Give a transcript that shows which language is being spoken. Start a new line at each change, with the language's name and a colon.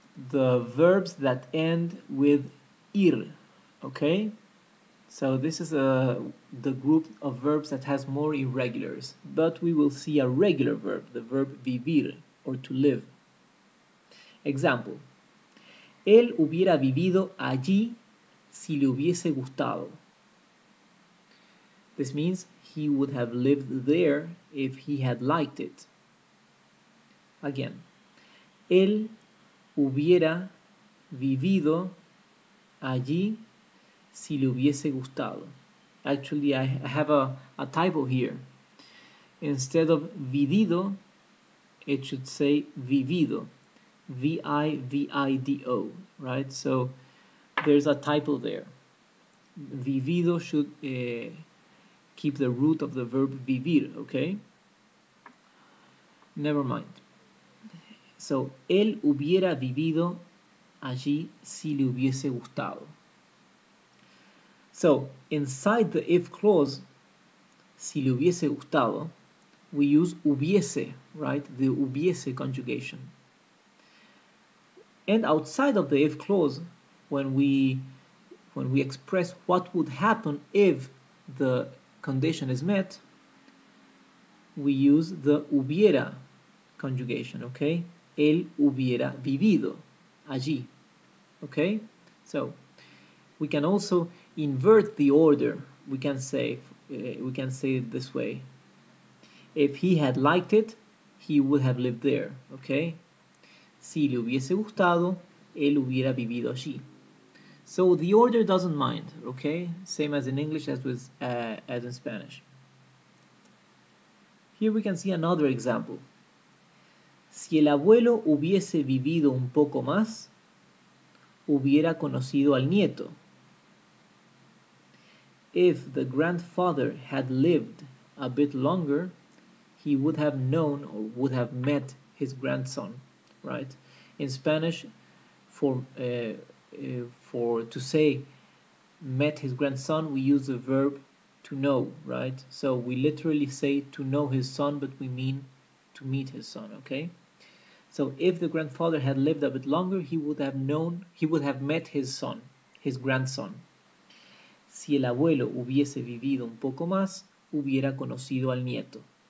English: The verbs that end with ir. Okay? So this is the group of verbs that has more irregulars. But we will see a regular verb, the verb vivir, or to live. Example.
Spanish: Él hubiera vivido allí si le hubiese gustado.
English: This means he would have lived there if he had liked it. Again.
Spanish: Él hubiera vivido allí si le hubiese gustado.
English: Actually, I have a typo here. Instead of vivido, it should say vivido. V-I-V-I-D-O, right? So, there's a typo there. Vivido should keep the root of the verb vivir, okay? Never mind.
Spanish: So, él hubiera vivido allí si le hubiese gustado.
English: So, inside the if clause,
Spanish: si le hubiese gustado,
English: we use hubiese, right? The hubiese conjugation. And outside of the if clause, when we express what would happen if the condition is met, we use the hubiera conjugation, okay?
Spanish: Él hubiera vivido allí, okay?
English: So, we can also invert the order. We can say it this way. If he had liked it, he would have lived there, okay?
Spanish: Si le hubiese gustado, él hubiera vivido allí.
English: So the order doesn't mind, okay? Same as in English as in Spanish. Here we can see another example.
Spanish: Si el abuelo hubiese vivido un poco más, hubiera conocido al nieto.
English: If the grandfather had lived a bit longer, he would have known or would have met his grandson, right? In Spanish, to say met his grandson, we use the verb to know, right? So we literally say to know his son, but we mean to meet his son, okay? So if the grandfather had lived a bit longer, he would have met his son, his grandson.
Spanish: Si el abuelo hubiese vivido un poco más, hubiera conocido al nieto.